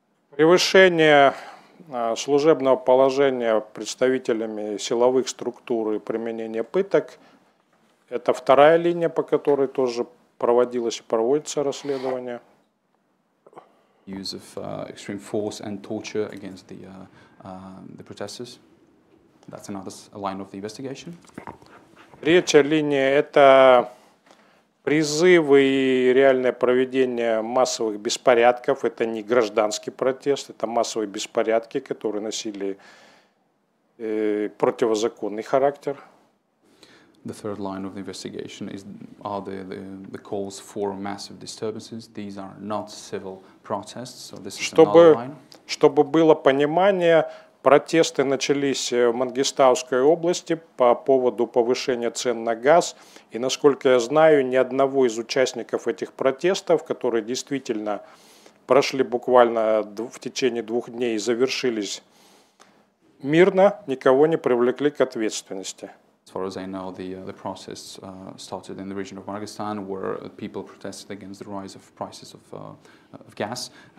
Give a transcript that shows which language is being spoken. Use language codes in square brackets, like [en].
[ru] Превышение служебного положения представителями силовых структур и применение пыток – это вторая линия, по которой тоже проводилось и проводится расследование. [en] Use of extreme force and torture against the protesters. That's another line of the investigation. [ru] Третья линия – это призывы и реальное проведение массовых беспорядков. Это не гражданский протест, это массовые беспорядки, которые носили противозаконный характер. [en] The third line of the investigation are the calls for massive disturbances. These are not civil protests, so this is another line. [ru] Чтобы было понимание, протесты начались в Мангистауской области по поводу повышения цен на газ. И, насколько я знаю, ни одного из участников этих протестов, которые действительно прошли буквально в течение двух дней и завершились мирно, никого не привлекли к ответственности. [en] As far as I know, the process started in the region of Kazakhstan, where people protested against the rise of prices of gas.